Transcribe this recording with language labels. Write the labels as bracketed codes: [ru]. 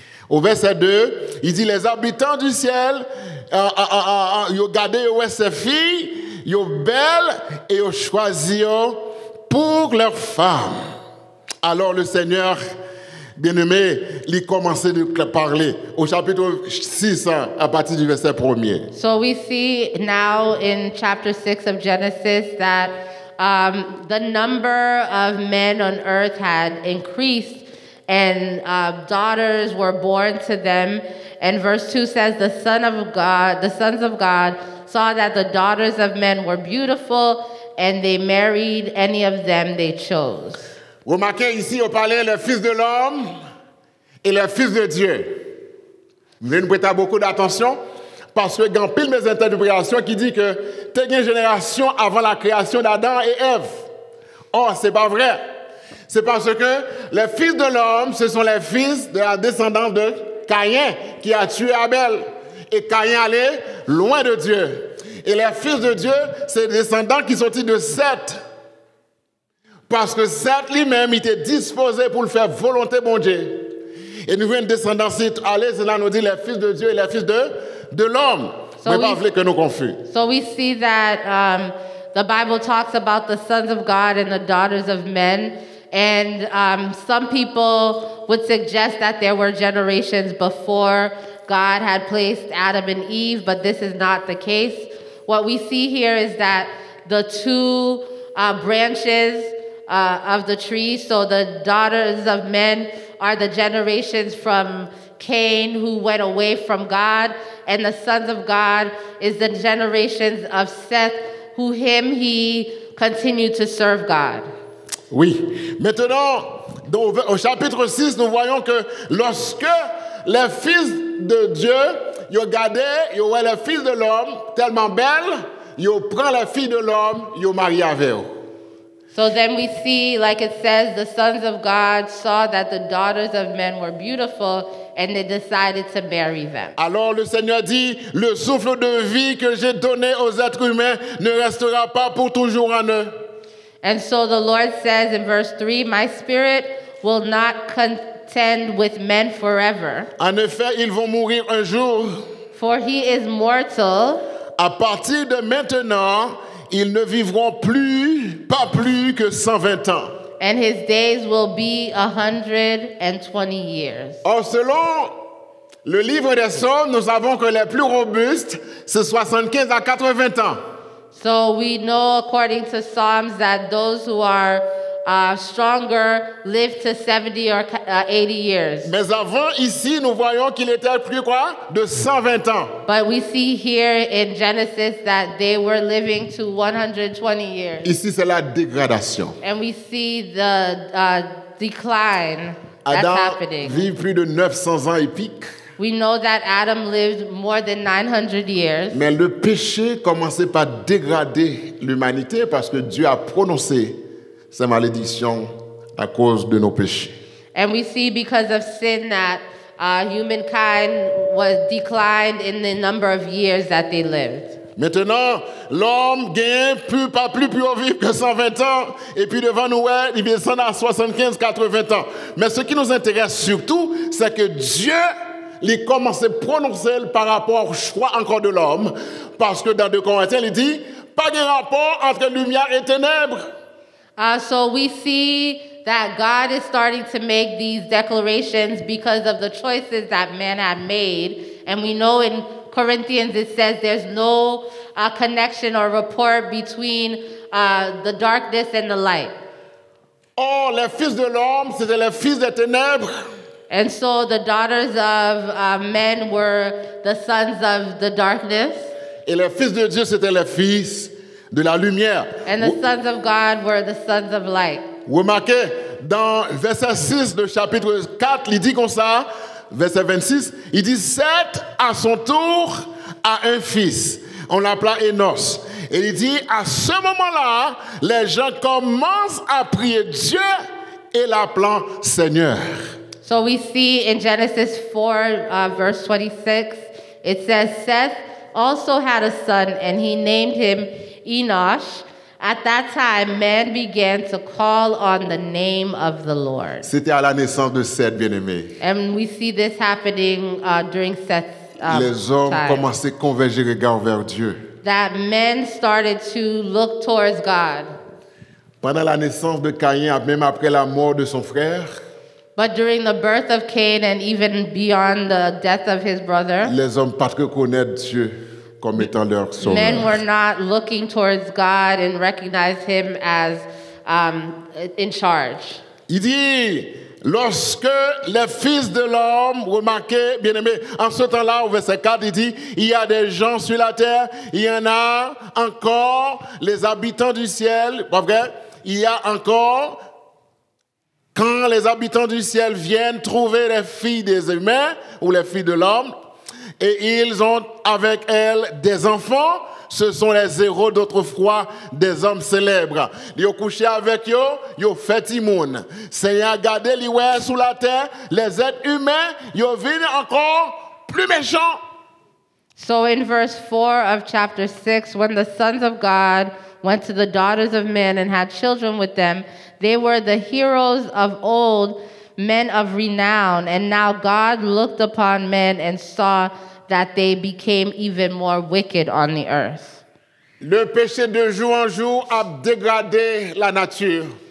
[fr] Au verset 2, il dit, les habitants du ciel, ils gardent ces filles, ils sont belles et ils choisissent pour leur femme. Alors le Seigneur, bien-aimé, il commence à parler au chapitre 6, à partir du verset 1er. [en] So we see now in chapter 6 of Genesis that the number of men on earth had increased and daughters were born to them. And verse 2 says, the sons of God saw that the daughters of men were beautiful and they married any of them they chose. [fr] Vous remarquez ici, on parlait les fils de l'homme et les fils de Dieu. Vous venez nous prêter beaucoup d'attention parce que grand pile mes interprétations qui dit que t'es une génération avant la création d'Adam et Ève. Or, c'est pas vrai. C'est parce que les fils de l'homme, ce sont les fils de la descendance de Caïn qui a tué Abel. Et Caïn allait loin de Dieu. Et les fils de Dieu, c'est les descendants qui sont de Seth. Parce que Seth lui-même était disposé pour le faire volonté bon Dieu. Et nous voyons une descendance. Allez, cela nous dit les fils de Dieu et les fils de l'homme. So mais pas voulu que nous confus. [en] So we see that the Bible talks about the sons of God and the daughters of men. And some people would suggest that there were generations before God had placed Adam and Eve, but this is not the case. What we see here is that the two branches of the tree, so the daughters of men are the generations from Cain who went away from God, and the sons of God is the generations of Seth who him he continued to serve God. [fr] Oui. Maintenant, au chapitre 6, nous voyons que lorsque les fils de Dieu, ils ont gardé, ils ont vu les fils de l'homme tellement belles, ils ont pris les filles de l'homme, ils ont marié avec eux. [en] So then we see, like it says, the sons of God saw that the daughters of men were beautiful and they decided to marry them. [fr] Alors le Seigneur dit, le souffle de vie que j'ai donné aux êtres humains ne restera pas pour toujours en eux. [en] And so the Lord says in verse 3, my spirit will not contend with men forever. [fr] En effet, ils vont mourir un jour. [en] For he is mortal. [fr] À partir de maintenant, ils ne vivront plus, pas plus que 120 ans. [en] And his days will be 120 years. [fr] Or, selon le livre des Psaumes, nous savons que les plus robustes, c'est 75 à 80 ans. [en] So we know according to Psalms that those who are stronger live to 70 or 80 years. [fr] Mais avant ici, nous voyons qu'il était plus quoi? De 120 ans. [en] But we see here in Genesis that they were living to 120 years. [fr] Ici, c'est la dégradation. [en] And we see the decline Adam that's happening. [fr] Adam vit plus de 900 ans et pique. [en] We know that Adam lived more than 900 years. [fr] Mais le péché commençait par dégrader l'humanité parce que Dieu a prononcé sa malédiction à cause de nos péchés. [en] And we see because of sin that humankind was declined in the number of years that they lived. [fr] Maintenant, l'homme gagne plus, pas plus, plus haut vivre que 120 ans. Et puis devant nous, il descend à 75, 80 ans. Mais ce qui nous intéresse surtout, c'est que Dieu il commence à prononcer par rapport au choix encore de l'homme. Parce que dans 2 Corinthiens, il dit, pas de rapport entre lumière et ténèbres. [en] So we see that God is starting to make these declarations because of the choices that man had made. And we know in Corinthians it says there's no connection or rapport between the darkness and the light. [fr] Oh, les fils de l'homme, c'était les fils des ténèbres. [en] And so the daughters of men were the sons of the darkness. [fr] Et les fils de Dieu, c'était les fils de la lumière. [en] And the sons of God were the sons of light. [fr] Remarquez, dans verset 6 de chapitre 4, il dit comme ça, verset 26, il dit, Seth, à son tour, a un fils. On l'appela Enos. Et il dit, à ce moment-là, les gens commencent à prier Dieu et l'appelant Seigneur. [en] So we see in Genesis 4, verse 26, it says, Seth also had a son, and he named him Enosh. At that time, man began to call on the name of the Lord. [fr] C'était à la naissance de Seth, bien-aimé. [en] And we see this happening during Seth's time. [fr] Les hommes commençaient à converger regard vers Dieu. [en] That men started to look towards God. [fr] Pendant la naissance de Caïn, même après la mort de son frère, [en] but during the birth of Cain and even beyond the death of his brother, [fr] les hommes parce que connaissent Dieu comme étant leur sauveur. [en] Men were not looking towards God and recognized him as in charge. [fr] Il dit, lorsque les fils de l'homme remarquaient, bien-aimés, en ce temps-là, au verset 4, il dit, il y a des gens sur la terre, il y en a encore, les habitants du ciel, pas vrai, il y a encore... Quand les habitants du ciel viennent trouver les filles des humains ou les filles de l'homme, et ils ont avec elles des enfants, ce sont les héros d'autrefois, des hommes célèbres. Ils ont couché avec eux, ils ont fait immune. Seigneur, gardez les ouais sous la terre, les êtres humains, ils ont venu encore plus méchants. [en] So in verse 4 of chapter 6, when the sons of God went to the daughters of men and had children with them, they were the heroes of old, men of renown. And now God looked upon men and saw that they became even more wicked on the earth. [fr] Le péché de jour en jour a dégradé la nature.